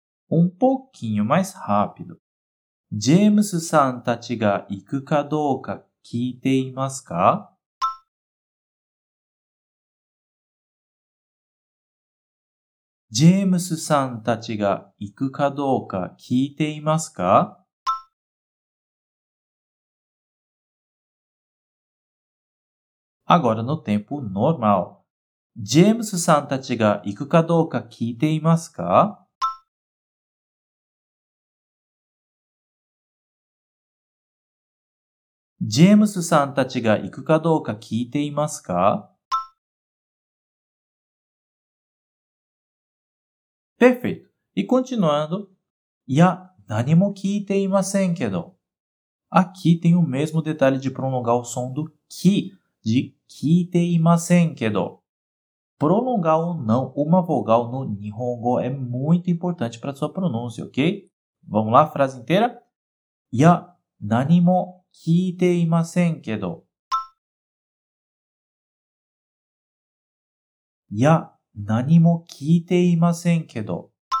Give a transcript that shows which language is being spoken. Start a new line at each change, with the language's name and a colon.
Portuguese: Um pouquinho mais rápido.
Japanese: ジェームスさんたちが行くかどうか聞いていますか? ジェームスさんたちが行くかどうか聞いていますか?
Portuguese: Agora no tempo normal.
Japanese: ジェームスさんたちが行くかどうか聞いていますか? ジェームスさんたちが行くかどうか聞いていますか?
Portuguese: Perfeito. E continuando.
Japanese: いや、何も聞いていませんけど。
Portuguese: Aqui tem o mesmo detalhe de prolongar o som do que.
Japanese: De 聞いていませんけど。
Portuguese: Prolongar ou não uma vogal no Nihongo é muito importante para sua pronúncia, ok? Vamos lá, frase inteira?
Japanese: Ya, 何も聞いていませんけど。 Ya, 何も聞いていませんけど。